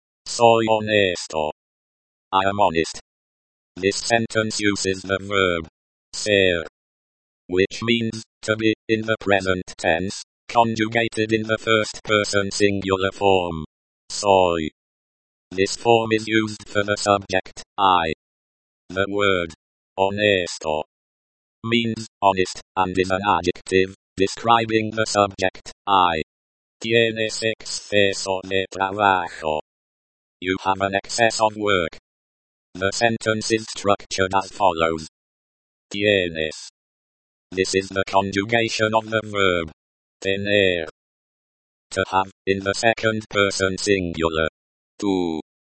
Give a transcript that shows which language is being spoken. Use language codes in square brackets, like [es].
[en] Soy honesto. I am honest. This sentence uses the verb ser, which means to be in the present tense, conjugated in the first person singular form. Soy. This form is used for the subject, I. The word honesto means honest and is an adjective, describing the subject, I. [es] Tienes exceso de trabajo. [en] You have an excess of work. The sentence is structured as follows. Tienes. This is the conjugation of the verb. Tener. To have, in the second person singular. Tu.